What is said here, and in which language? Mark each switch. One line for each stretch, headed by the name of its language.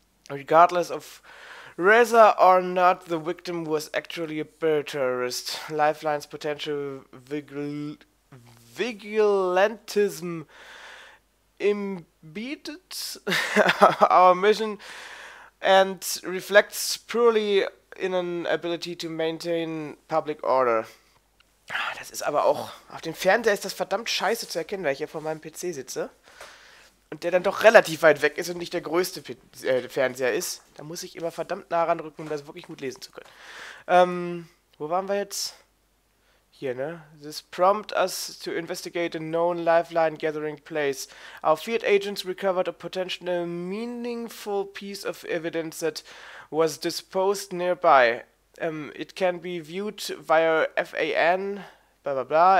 English: Regardless of whether or not the victim was actually a bioterrorist, Lifeline's potential vigilantism impeded our mission and reflects purely in an ability to maintain public order.
German: Das ist aber auch auf dem Fernseher ist das verdammt scheiße zu erkennen, weil ich hier vor meinem PC sitze und der dann doch relativ weit weg ist und nicht der größte Fernseher ist. Da muss ich immer verdammt nah ranrücken, um das wirklich gut lesen zu können. Wo waren wir jetzt? Hier, ne?
English: This prompt us to investigate a known Lifeline gathering place. Our field agents recovered a potentially meaningful piece of evidence that was disposed nearby. It can be viewed via FAN, blah blah blah.